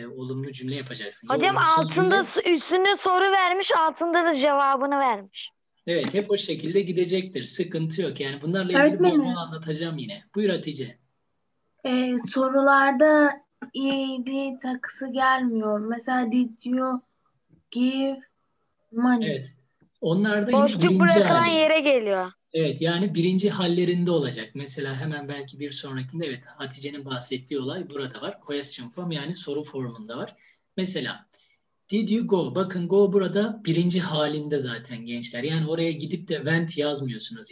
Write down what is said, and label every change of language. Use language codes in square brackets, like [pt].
[tr] Olumlu cümle yapacaksın. Hocam altında üstünde soru vermiş, altında da cevabını vermiş. Evet, hep o şekilde gidecektir. Sıkıntı yok. Yani bunlarla ilgili bir bunu anlatacağım yine. Buyur Hatice. Sorularda iyiydi takısı gelmiyor. Mesela [en] did you give money? [tr] Evet. Onlar da boşluk bırakılan hali. Yere geliyor. Evet, yani birinci hallerinde olacak. Mesela hemen belki bir sonrakinde, evet, Hatice'nin bahsettiği olay burada var. [en] Question form, [tr] yani soru formunda var. Mesela [en] did you go? [tr] Bakın go burada birinci halinde zaten gençler. Yani oraya gidip de went yazmıyorsunuz.